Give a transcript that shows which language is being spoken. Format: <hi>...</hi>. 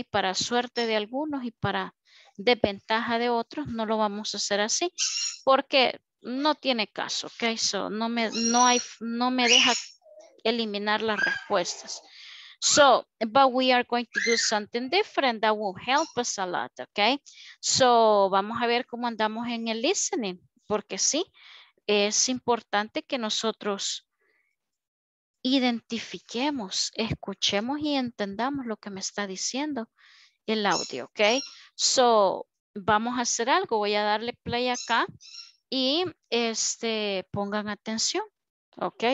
<es>Para suerte de algunos y para desventaja de otros, no lo vamos a hacer así, porque no tiene caso, ¿ok? So, no me deja eliminar las respuestas.</es> <en>So, but we are going to do something different that will help us a lot, ¿ok?</en> <es>So, vamos a ver cómo andamos en el listening, porque sí, es importante que nosotros identifiquemos, escuchemos y entendamos lo que me está diciendo el audio, ¿ok? So, vamos a hacer algo. Voy a darle play acá y pongan atención, ¿ok?</es>